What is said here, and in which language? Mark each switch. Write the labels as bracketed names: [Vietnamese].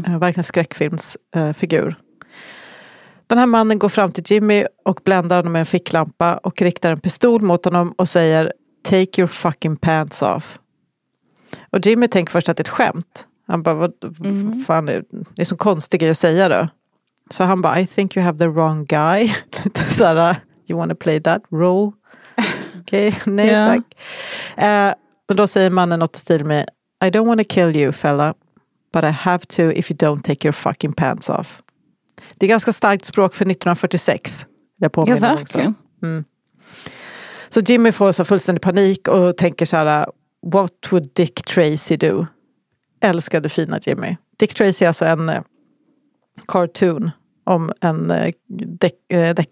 [Swedish] Verkligen skräckfilmsfigur. Den här mannen går fram till Jimmy och bländar honom med en ficklampa och riktar en pistol mot honom och säger "Take your fucking pants off." Och Jimmy tänker först att det är ett skämt. Han bara, fan, det är så konstig grej att säga då. [English] Så han bara, I think you have the wrong guy. [Swedish] Lite såhär, you wanna play that role? Okej, nej tack. Men då säger mannen något i stil med, I don't wanna kill you, fella. [English] But I have to if you don't take your fucking pants off. [Swedish] Det är ganska starkt språk för 1946. Jag påminner ja, verkligen. Också. Så Jimmy får så fullständig panik och tänker såhär, what would Dick Tracy do? Älskade fina Jimmy. Dick Tracy är alltså en cartoon om en deckare.